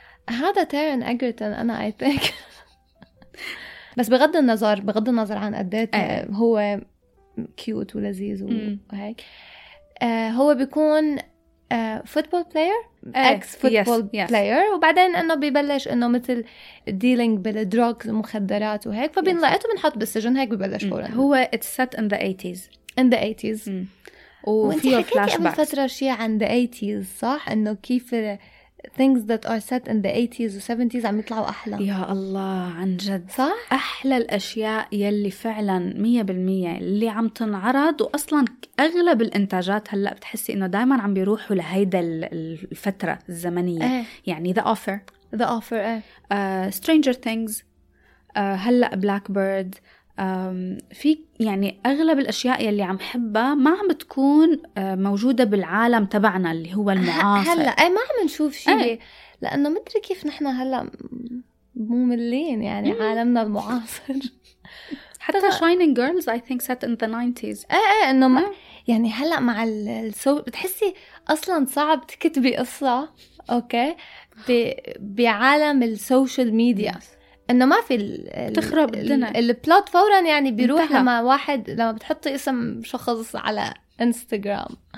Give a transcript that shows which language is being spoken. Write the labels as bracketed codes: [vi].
[ar] هذا تيرن أجرتون انا [en] I think. [ar] بس بغض النظر عن قديت هو كيوت ولذيذ وهيك هو بيكون فوتبول بلاير اكس فوتبول بلاير وبعدين انه ببلش انه مثل ديلينج بالدروغز ومخدرات وهيك فبينلقته بنحط بالسجن هيك ببلش فوراً. هو [en] it's set in the 80s [ar] وفيه فلاش باك. وانت حكيتي قبل فترة شيء عن the 80s صح؟ انه كيف [en] things that are set in the 80s [ar] و 70s عم يطلعوا أحلى. يا الله عن جد صح؟ أحلى الأشياء يلي فعلا 100% اللي عم تنعرض. وأصلا أغلب الإنتاجات هلأ بتحسي إنه دايما عم بيروحوا لهيدا الفترة الزمنية. يعني The Offer Stranger Things هلأ Blackbird في يعني أغلب الأشياء يلي عم حبها ما عم بتكون موجودة بالعالم تبعنا اللي هو المعاصر هلأ ما عم نشوف شيء لأنه مدري كيف نحن هلأ مملين يعني عالمنا المعاصر [en] حتى Shining Girls I think set in the 90s [ar] إنه ما يعني هلأ مع بتحسي أصلاً صعب تكتبي قصة أوكي بعالم السوشيال ميديا انه ما في تخرب الدنيا البلوت فورا يعني بيروح انتهى. لما واحد لما بتحطي اسم شخص على انستغرام